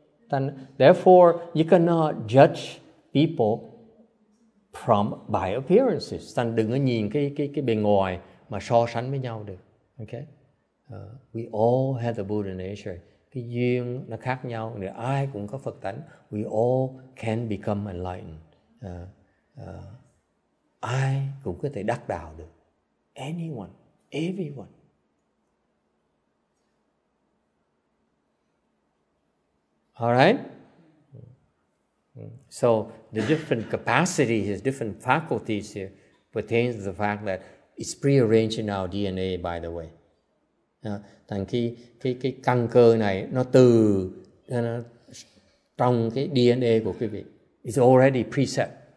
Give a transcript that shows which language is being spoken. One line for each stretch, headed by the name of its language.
English: Then, therefore, you cannot judge people by appearances.
Vietnamese: Thành đừng có nhìn cái bề ngoài mà so sánh với nhau được. Okay?
English: We all have the Buddha nature.
Vietnamese: Cái duyên nó khác nhau. Người ai cũng có Phật tánh.
English: We all can become enlightened.
Vietnamese: Ai cũng có thể đắc đạo được.
English: Anyone. Everyone. Alright? So, the different capacity, his different faculties here pertains to the fact that it's prearranged in our DNA, by the way.
Vietnamese: Thành cái căn cơ này nó từ nó, trong cái DNA của quý vị.
English: It's already preset.